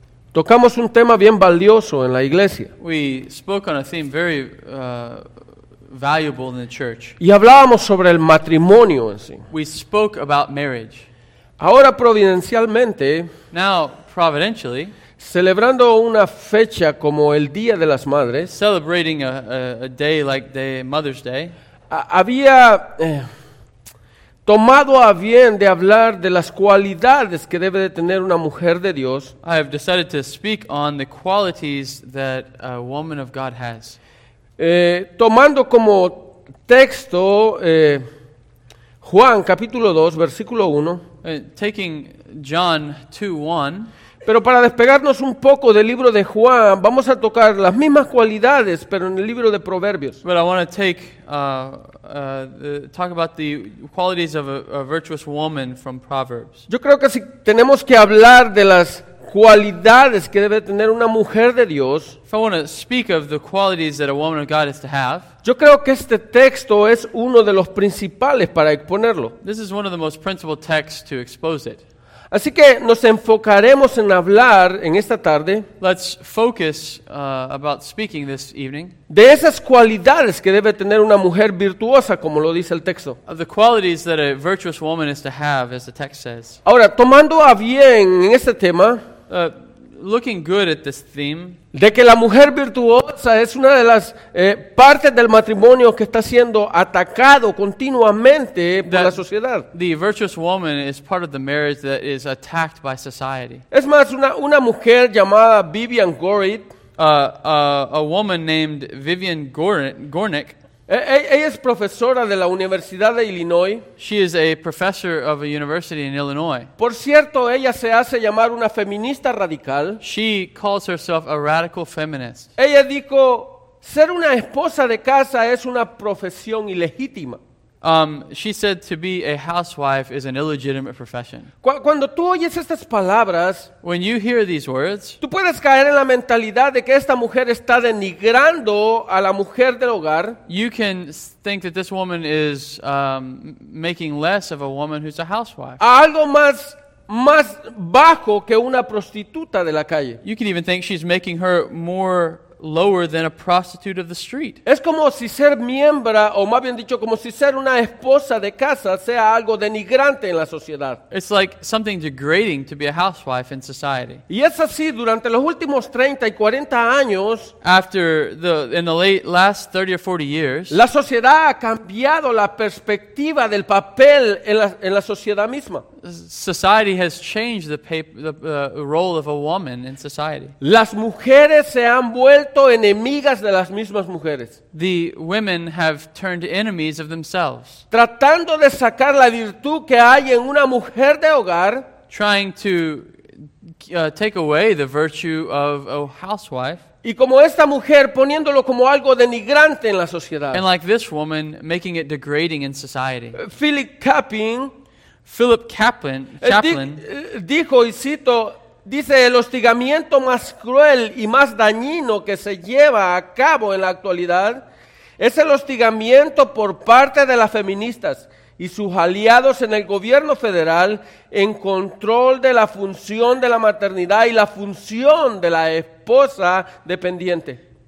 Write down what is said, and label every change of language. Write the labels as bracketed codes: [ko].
[es] tocamos un tema bien valioso en la iglesia. [en] We spoke on a theme very valuable in the church. [es] Y hablábamos sobre el matrimonio en sí. [en] We spoke about marriage. [es] Ahora, providencialmente, [en] now, providentially, [es] celebrando una fecha como el Día de las Madres, [en] celebrating a day like the Mother's Day, [es] había tomado a bien de hablar de las cualidades que debe de tener una mujer de Dios. [en] I have decided to speak on the qualities that a woman of God has. [es] Tomando como texto Juan capítulo 2, versículo 1. [en] Taking John 2:1. [es] Pero para despegarnos un poco del libro de Juan, vamos a tocar las mismas cualidades, pero en el libro de Proverbios. [en] But I want to talk about the qualities of a virtuous woman from Proverbs. [es] Yo creo que si tenemos que hablar de las cualidades que debe tener una mujer de Dios, [en] if I want to speak of the qualities that a woman of God is to have, [es] yo creo que este texto es uno de los principales para exponerlo. [en] This is one of the most principal texts to expose it. [es] Así que nos enfocaremos en hablar en esta tarde. [en] Let's focus about speaking this evening. [es] De esas cualidades que debe tener una mujer virtuosa, como lo dice el texto. [en] Of the qualities that a virtuous woman is to have, as the text says. [es] Ahora, tomando a bien en este tema, [en] looking good at this theme, [es] de que la mujer virtuosa es una de las partes del matrimonio que está siendo atacado continuamente por la sociedad. [en] The virtuous woman is part of the marriage that is attacked by society. [es] Es más, una mujer llamada Vivian Gornick, [en] a woman named Vivian Gornick. [es] Ella es profesora de la Universidad de Illinois. [en] She is a professor of a university in Illinois. [es] Por cierto, ella se hace llamar una feminista radical. [en] She calls herself a radical feminist. [es] Ella dijo, ser una esposa de casa es una profesión ilegítima. [en] She said to be a housewife is an illegitimate profession. [es] Cuando tú oyes estas palabras, [en] when you hear these words, [es] tú puedes caer en la mentalidad de que esta mujer está denigrando a la mujer del hogar. [en] You can think that this woman is making less of a woman who's a housewife. [es] A algo más bajo que una prostituta de la calle. [en] You can even think she's making her more lower than a prostitute of the street. [es] Es como si ser miembro, o más bien dicho, como si ser una esposa de casa sea algo denigrante en la sociedad. [en] It's like something degrading to be a housewife in society. [es] Y es así durante los últimos 30 y 40 años. [en] After the last 30 or 40 years, [es] la sociedad ha cambiado la perspectiva del papel en la sociedad misma. [en] Society has changed the role of a woman in society. [es] Las mujeres se han vuelto enemigas de las mismas mujeres. [en] The women have turned enemies of themselves. [es] Tratando de sacar la virtud que hay en una mujer de hogar. [en] Trying to take away the virtue of a housewife. [es] Y como esta mujer, poniéndolo como algo denigrante en la sociedad. [en] And like this woman, making it degrading in society. [es] Philip Kaplan dijo, y cito, dice, el hostigamiento más cruel y más dañino que se lleva a cabo en la actualidad Es el hostigamiento por parte de las feministas y sus aliados en el gobierno federal en control de la función de la maternidad y la función de la esposa dependiente.